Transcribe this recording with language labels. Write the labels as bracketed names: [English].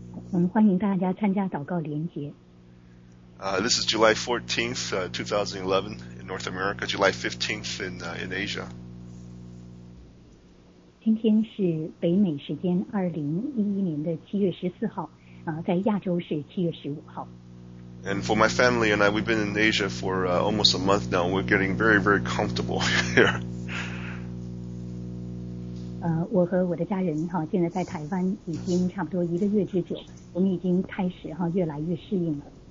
[Chinese] 我们欢迎大家参加祷告连结。 [English] This is July 14th, 2011 in North America, July 15th in Asia. [Chinese] 今天是北美时间2011年的7月14号,在亚洲是7月15号。 [English] And for my family and I, we've been in Asia for almost a month now. We're getting very, very comfortable here. [Chinese] 我和我的家人现在在台湾已经差不多一个月之久，我们已经开始越来越适应了。